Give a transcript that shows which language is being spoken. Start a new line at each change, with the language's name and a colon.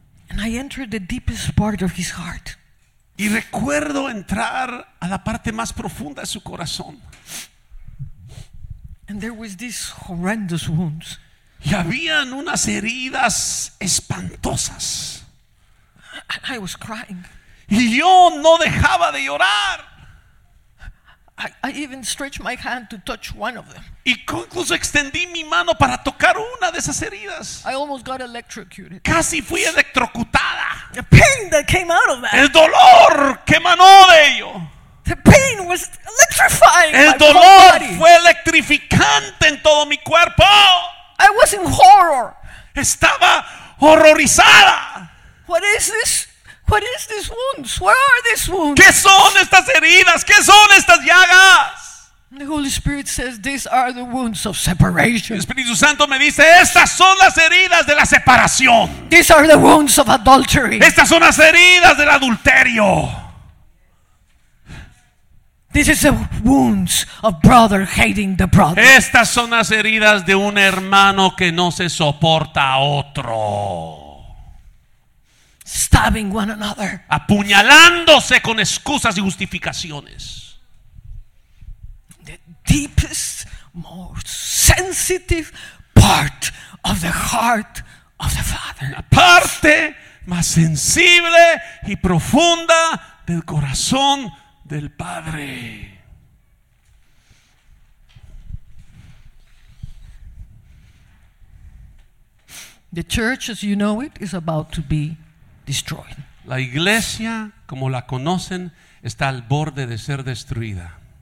English: And I entered the deepest part of his heart.
Spanish: Y recuerdo entrar a la parte más profunda de su corazón.
English: And there was these horrendous wounds.
Spanish: Y habían unas heridas espantosas.
English: And I was crying.
Spanish: Y yo no dejaba de llorar.
English: I even stretched my hand to touch one of them.
Spanish: Y incluso extendí mi mano para tocar una de esas heridas.
English: I almost got electrocuted.
Spanish: Casi fui electrocutada.
English: The pain that came out of that.
Spanish: El dolor que emanó de ello.
English: The pain was electrifying.
Spanish: El
English: my
Spanish: dolor
English: whole body.
Spanish: Fue electrificante en todo mi cuerpo.
English: I was in horror.
Spanish: Estaba horrorizada.
English: What is this? What is these wounds? Where are these wounds?
Spanish: ¿Qué son estas heridas? ¿Qué son estas llagas?
English: The Holy Spirit says these are the wounds of separation.
Spanish: El Espíritu Santo me dice, estas son las heridas de la separación.
English: These are the wounds of adultery.
Spanish: Estas son las heridas del adulterio.
English: This is the wounds of brother hating the brother.
Spanish: Estas son las heridas de un hermano que no se soporta a otro.
English: Stabbing one another.
Spanish: Apuñalándose con excusas y justificaciones.
English: The deepest, most sensitive part of the heart of the Father.
Spanish: La parte más sensible y profunda del corazón del Padre.
English: The church, as you know it, is about to be destroyed.
Spanish: La iglesia, como la conocen, está al borde de ser destruida.